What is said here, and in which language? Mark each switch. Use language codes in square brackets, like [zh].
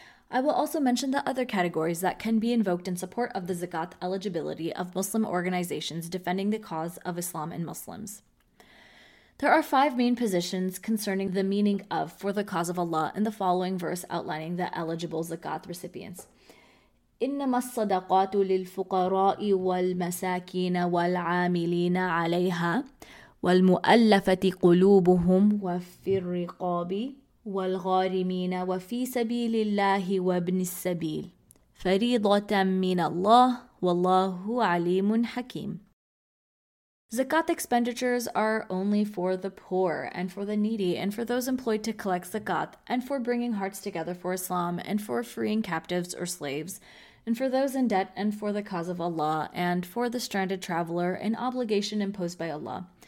[en] I will also mention the other categories that can be invoked in support of the zakat eligibility of Muslim organizations defending the cause of Islam and Muslims. There are five main positions concerning the meaning of for the cause of Allah in the following verse outlining the eligible zakat recipients. [ar] إنما الصدقات للفقراء والمساكين والعاملين عليها والمؤلفة قلوبهم وفي الرقاب والغارمين وفي سبيل الله وابن السبيل فريضة من الله والله عليم حكيم. [en] Zakat expenditures are only for the poor and for the needy and for those employed to collect zakat and for bringing hearts together for Islam and for freeing captives or slaves, and for those in debt and for the cause of Allah, and for the stranded traveler, an obligation imposed by Allah.